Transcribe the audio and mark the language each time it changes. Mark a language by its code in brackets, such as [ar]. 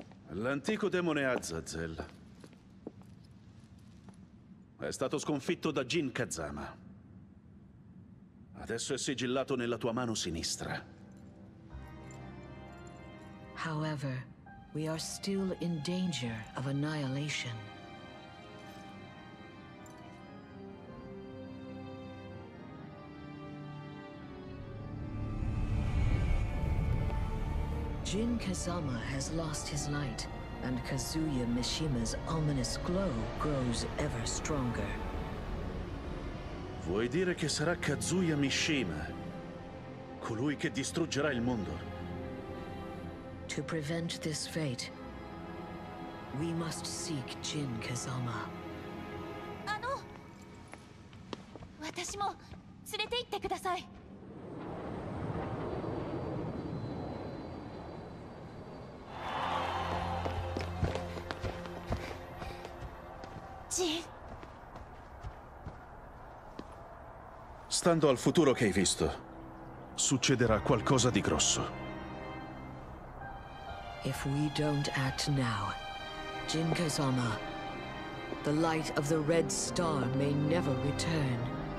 [it] L'antico demone Azazel è stato sconfitto da Jin Kazama. Adesso è sigillato nella tua mano sinistra. [en] However, we are still in danger of annihilation. Jin Kazama has lost his light, and Kazuya Mishima's ominous glow grows ever stronger. [it] Vuoi dire che sarà Kazuya Mishima, colui che distruggerà il mondo? [en] To prevent this fate, we must seek Jin Kazama. [ja] Ano! 私も連れて行ってください! [it] Stando al futuro che hai visto, succederà qualcosa di grosso. [en] If we don't act now, Jin Kazama, the light of the Red Star may never return.